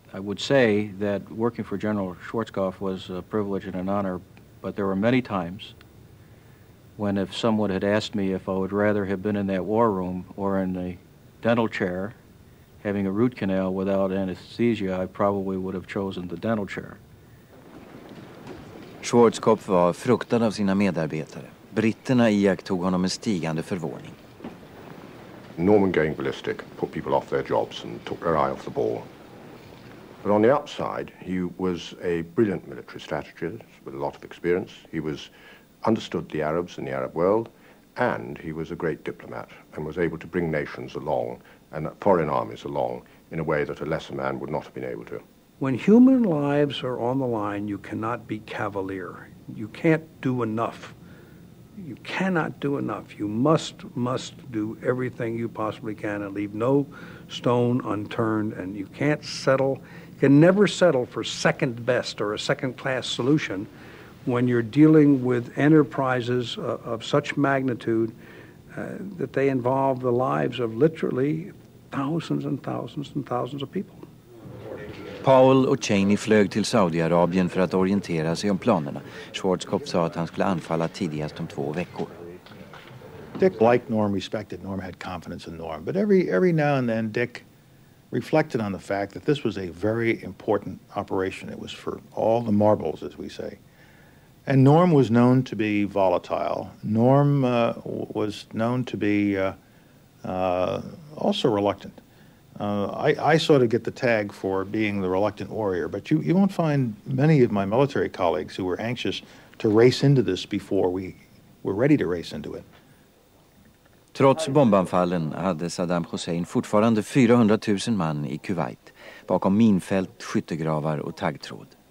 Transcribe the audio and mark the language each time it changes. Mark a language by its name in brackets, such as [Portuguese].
[English] I would say that working for General Schwarzkopf was a privilege and an honor, but there were many times when if someone had asked me if I would rather have been in that war room or in the dental chair having a root canal without anesthesia, I probably would have chosen the dental chair. [Swedish] Schwarzkopf var fruktad av sina medarbetare. Britterna iakttog honom med stigande förvåning. [English] Norman going ballistic put people off their jobs and took their eye off the ball. But on the upside, he was a brilliant military strategist with a lot of experience. He was understood the Arabs and the Arab world, and he was a great diplomat and was able to bring nations along and foreign armies along in a way that a lesser man would not have been able to. When human lives are on the line, you cannot be cavalier. You can't do enough. You cannot do enough. You must do everything you possibly can and leave no stone unturned, and you can't settle. You can never settle for second best or a second class solution when you're dealing with enterprises of such magnitude that they involve the lives of literally thousands and thousands and thousands of people. [Swedish] Paul och Cheney flög till Saudiarabien för att orientera sig om planerna. Schwarzkopf sa att han skulle anfalla tidigast om 2 veckor. [English] Dick liked Norm, respected Norm, had confidence in Norm, but every now and then Dick reflected on the fact that this was a very important operation. It was for all the marbles, as we say. And Norm was known to be volatile. Norm was known to be also reluctant. I sort of get the tag for being the reluctant warrior, but you won't find many of my military colleagues who were anxious to race into this before we were ready to race into it. [Swedish] Trots bombanfallen hade Saddam Hussein fortfarande 400 000 man i Kuwait bakom minfält, skyttegravar och taggtråd.